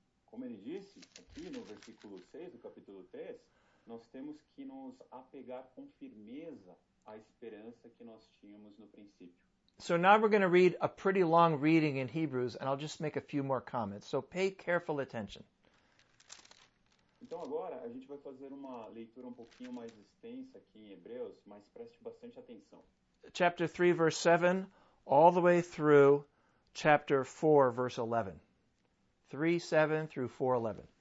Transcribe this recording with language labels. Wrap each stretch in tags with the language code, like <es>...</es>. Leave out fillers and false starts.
<pt>Como ele disse aqui no versículo 6 do capítulo 3, nós temos que nos apegar com firmeza à esperança que nós tínhamos no princípio.</pt> <en>So now we're going to read a pretty long reading in Hebrews, and I'll just make a few more comments. So pay careful attention.</en> <pt>Então agora a gente vai fazer uma leitura um pouquinho mais extensa aqui em Hebreus, mas preste bastante atenção.</pt> <en>Chapter 3, verse 7, all the way through chapter 4, verse 11. 3, 7 through 4, 11.</en>